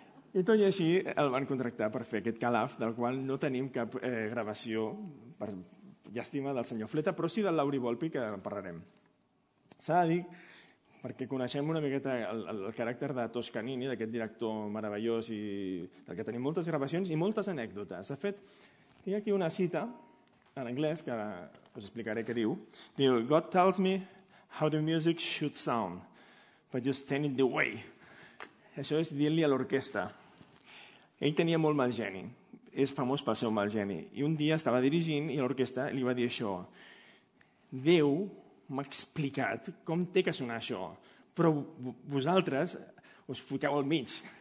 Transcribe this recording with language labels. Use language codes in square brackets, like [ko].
[ca] I tot i així el van contractar per fer aquest Calaf, del qual no tenim cap gravació, per llàstima, del senyor Fleta, però sí del Lauri Volpi, que en parlarem. S'ha de dir, perquè coneixem una miqueta el caràcter de Toscanini, d'aquest director meravellós i del que tenim moltes gravacions i moltes anècdotes. De fet, tinc aquí una cita en anglès, que ara us explicaré què diu. Diu, [en] God tells me how the music should sound, but you stand in the way. [ca] Això és dir-li a l'orquestra. Ell tenia molt mal geni, és famós pel seu mal geni, i un dia estava dirigint i l'orquestra li va dir això. Déu m'ha explicat com té que sonar això, però vosaltres us fiqueu al mig.